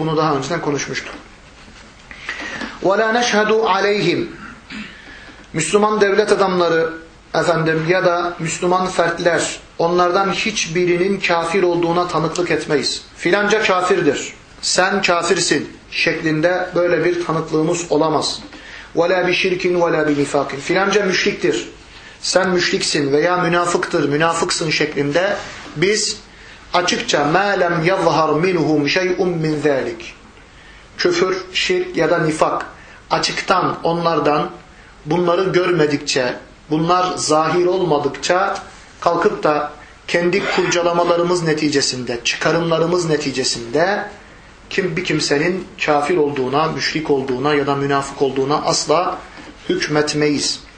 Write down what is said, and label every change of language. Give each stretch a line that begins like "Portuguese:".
Turkish: Bunu daha önceden konuşmuştuk.
Arabic: وَلَا نَشْهَدُ عَلَيْهِمْ
Turkish: Müslüman devlet adamları efendim ya da Müslüman fertler onlardan hiçbirinin kafir olduğuna tanıklık etmeyiz. Filanca kafirdir. sen kafirsin şeklinde böyle bir tanıklığımız olamaz.
Arabic: وَلَا بِشِرْكٍ وَلَا بِنِفَاقٍ
Turkish: Filanca müşriktir. Sen müşriksin veya münafıktır, münafıksın şeklinde biz açıkça
Arabic: مَا لَمْ يَظْهَرْ مِنْهُمْ شَيْءٌ مِنْ ذَٰلِكَ
Turkish: Küfür, şirk ya da nifak açıktan onlardan bunları görmedikçe, bunlar zahir olmadıkça kalkıp da kendi kurcalamalarımız neticesinde, çıkarımlarımız neticesinde kim bir kimsenin kafir olduğuna, müşrik olduğuna ya da münafık olduğuna asla hükmetmeyiz.